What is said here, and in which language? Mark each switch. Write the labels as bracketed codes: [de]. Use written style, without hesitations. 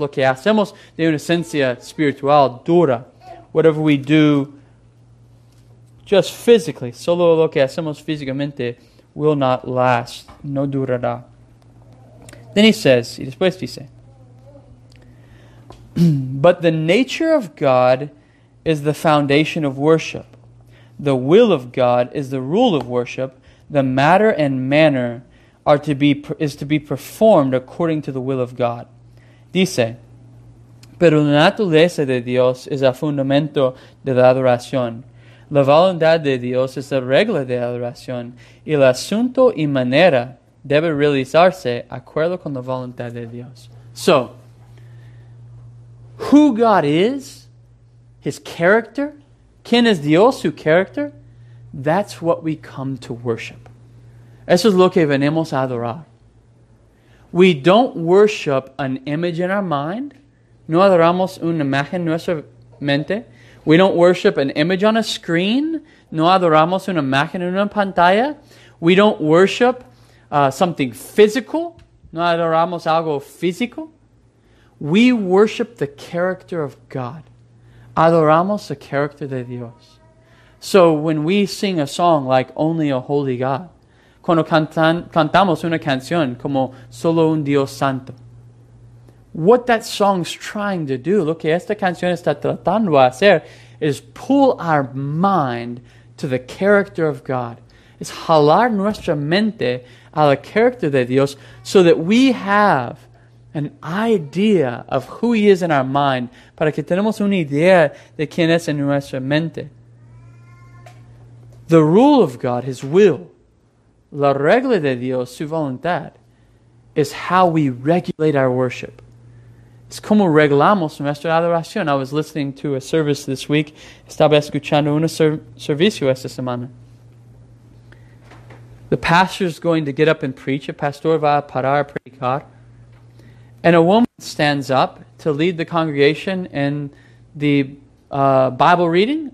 [es] Lo que hacemos de una esencia espiritual dura. [en] Whatever we do just physically, [es] solo lo que hacemos físicamente, [en] will not last, [es] no durará. [en] Then he says, [es] y después dice, [en] but the nature of God is the foundation of worship. The will of God is the rule of worship. The matter and manner is to be performed according to the will of God. [es] Dice, pero la naturaleza de Dios es el fundamento de la adoración. La voluntad de Dios es la regla de la adoración. Y el asunto y manera debe realizarse acuerdo con la voluntad de Dios. [en] So, who God is, His character, [es] ¿quién es Dios, su character? [en] That's what we come to worship. [es] Eso es lo que venimos a adorar. [en] We don't worship an image in our mind. [es] No adoramos una imagen en nuestra mente. [en] We don't worship an image on a screen. [es] No adoramos una imagen en una pantalla. [en] We don't worship something physical. [es] No adoramos algo físico. [en] We worship the character of God. [es] Adoramos [en] the character [es] de Dios. [en] So when we sing a song like Only a Holy God, [es] cuando cantamos una canción como Solo un Dios Santo, [en] what that song's trying to do, [es] lo que esta canción está tratando de hacer, [en] is pull our mind to the character of God. [es] Es jalar nuestra mente a la character de Dios [en] so that we have an idea of who He is in our mind, [es] para que tenemos una idea de quién es en nuestra mente. [en] The rule of God, His will, [es] la regla de Dios, su voluntad, [en] is how we regulate our worship. [es] Es como regulamos nuestra adoración. [en] I was listening to a service this week. [es] Estaba escuchando un servicio esta semana. [en] The pastor is going to get up and preach. [es] El pastor va a parar a predicar. [en] And a woman stands up to lead the congregation in the Bible reading.